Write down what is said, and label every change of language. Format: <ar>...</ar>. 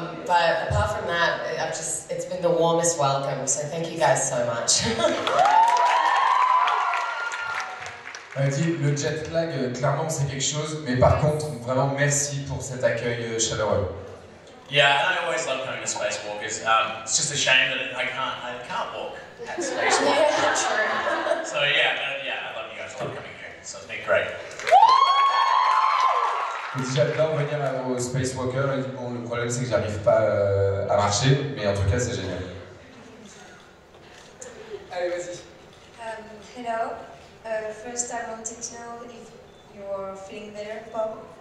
<en>But apart from that, it's been the warmest welcome, so thank you guys so much.</en> <fr>Le jet lag, clairement, c'est quelque chose, mais par contre, vraiment merci pour cet accueil chaleureux.</fr> <en>Yeah, and I always love coming to Spacewalk. It's just a shame that I can't walk at Spacewalk. Yeah, true. So yeah, I love you guys. I love coming here. So it's been great.</en> <fr>J'adore venir au Space Walker, mais bon, le problème c'est que j'arrive pas à marcher, mais en tout cas c'est génial. Allez, vas-y.</fr> <en>Hello. First I wanted to know if you're feeling better, Bob.</en>